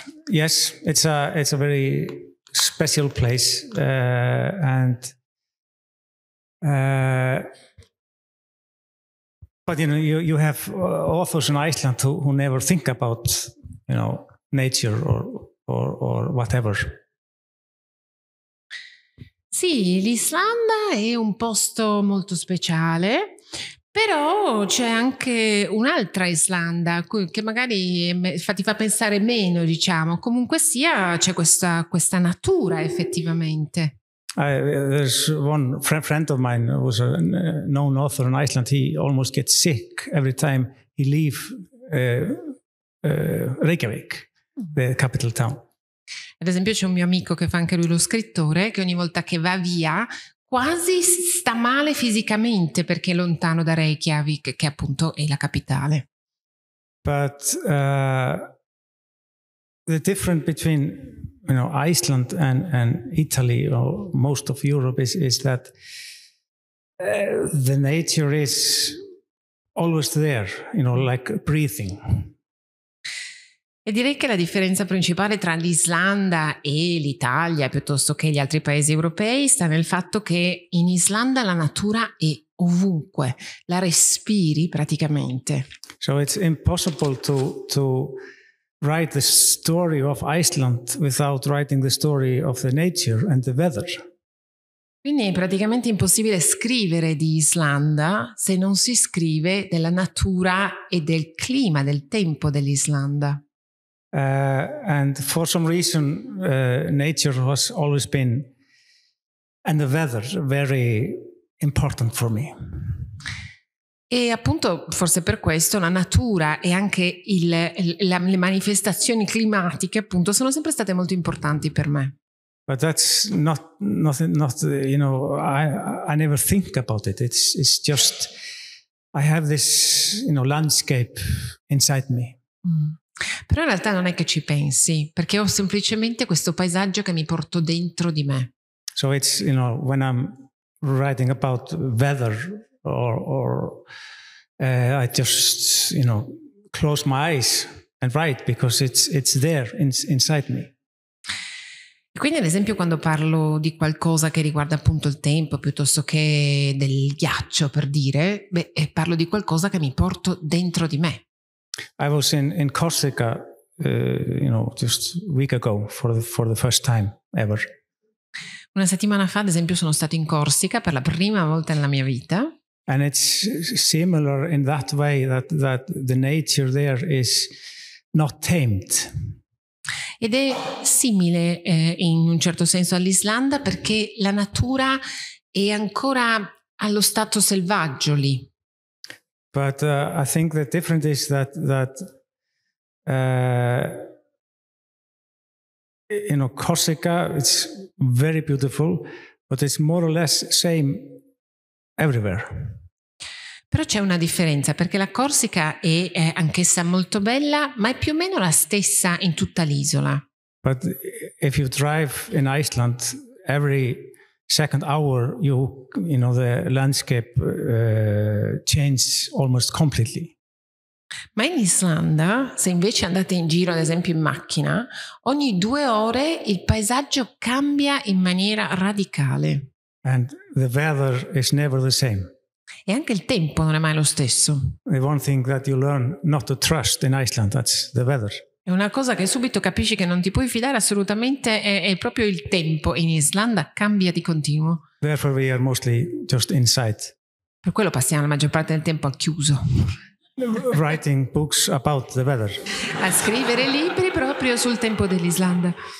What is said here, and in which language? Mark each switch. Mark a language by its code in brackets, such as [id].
[en] Yes, it's a very special place, and but you know, you have authors in Iceland who never think about, you know, nature or whatever. [it] Sì, l'Islanda è un posto molto speciale, però c'è anche un'altra Islanda che magari ti fa pensare meno, diciamo. Comunque sia, c'è questa natura effettivamente. [en] There's one friend of mine who was a known author in Iceland. He almost gets sick every time he leaves Reykjavik, the capital town. [it] Ad esempio c'è un mio amico che fa anche lui lo scrittore, che ogni volta che va via quasi sta male fisicamente perché è lontano da Reykjavik, che appunto è la capitale. [en] But the difference between, you know, Iceland and Italy or most of Europe is that the nature is always there, you know, like breathing. [it] E direi che la differenza principale tra l'Islanda e l'Italia, piuttosto che gli altri paesi europei, sta nel fatto che in Islanda la natura è ovunque, la respiri praticamente. [en] So it's impossible to write the story of Iceland without writing the story of the nature and the weather. [it] Quindi è praticamente impossibile scrivere di Islanda se non si scrive della natura e del clima, del tempo dell'Islanda. [en] And for some reason, nature has always been, and the weather, very important for me. [it] E appunto, forse per questo, la natura e anche le manifestazioni climatiche, appunto, sono sempre state molto importanti per me. [en] But that's not, you know, I never think about it. It's just, I have this, you know, landscape inside me. [it] Però in realtà non è che ci pensi, perché ho semplicemente questo paesaggio che mi porto dentro di me. [en] So it's, you know, when I'm writing about weather or I just, you know, close my eyes and write because it's there inside me. [it] Quindi ad esempio quando parlo di qualcosa che riguarda appunto il tempo, piuttosto che del ghiaccio, per dire, beh, parlo di qualcosa che mi porto dentro di me. [en] I was in Corsica, you know, just a week ago for the first time ever. [it] Una settimana fa, ad esempio, sono stato in Corsica per la prima volta nella mia vita. [en] And it's similar in that way that the nature there is not tamed. [it] Ed è simile in un certo senso all'Islanda, perché la natura è ancora allo stato selvaggio lì. [en] But I think the difference is that you know, Corsica, it's very beautiful, but it's more or less same everywhere. [it] Però c'è una differenza, perché la Corsica è anch'essa molto bella, ma è più o meno la stessa in tutta l'isola. [en] But if you drive in Iceland, every second hour you know, the landscape changes almost completely. [it] Ma in Islanda, se invece andate in giro, ad esempio in macchina, ogni due ore il paesaggio cambia in maniera radicale. [en] And the weather is never the same. [it] E anche il tempo non è mai lo stesso. [en] The one thing that you learn not to trust in Iceland, that's the weather. [it] E una cosa che subito capisci che non ti puoi fidare assolutamente è proprio il tempo. In Islanda cambia di continuo. [en] Therefore we are mostly just inside. [it] Per quello passiamo la maggior parte del tempo al chiuso. [en] Writing books about the weather. [it] A scrivere libri proprio sul tempo dell'Islanda.